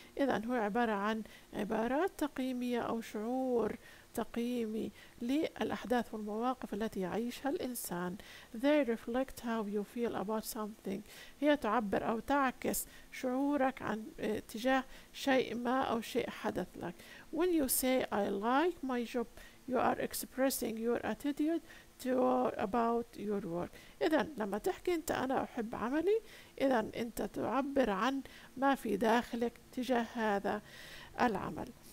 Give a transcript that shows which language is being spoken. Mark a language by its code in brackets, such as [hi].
[ar] إذا هو عبارة عن عبارات تقييمية أو شعور تقييمي للأحداث والمواقف التي يعيشها الإنسان. [en] They reflect how you feel about something. [ar] هي تعبر أو تعكس شعورك عن تجاه شيء ما أو شيء حدث لك. [en] When you say I like my job, you are expressing your attitude about your work. [ar] إذا لما تحكي أنت أنا أحب عملي، إذا أنت تعبر عن ما في داخلك تجاه هذا العمل.